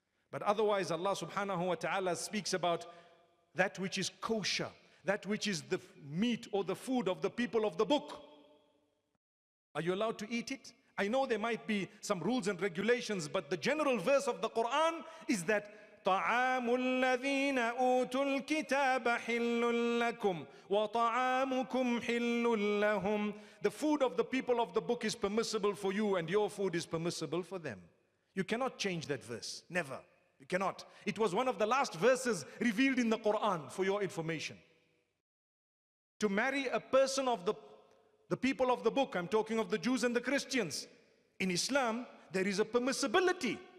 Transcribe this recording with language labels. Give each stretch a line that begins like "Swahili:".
English: But otherwise, Allah subhanahu wa ta'ala speaks about that which is kosher, that which is the meat or the food of the people of the book. Are you allowed to eat it? I know there might be some rules and regulations, but the general verse of the Quran is that
Arabic: طعام الذين أوتوا الكتاب حل لكم وطعامكم حل لهم.
English: The food of the people of the book is permissible for you, and your food is permissible for them. You cannot change that verse. Never. You cannot. It was one of the last verses revealed in the Quran, for your information. To marry a person of the people of the book, I'm talking of the Jews and the Christians, in Islam, there is a permissibility.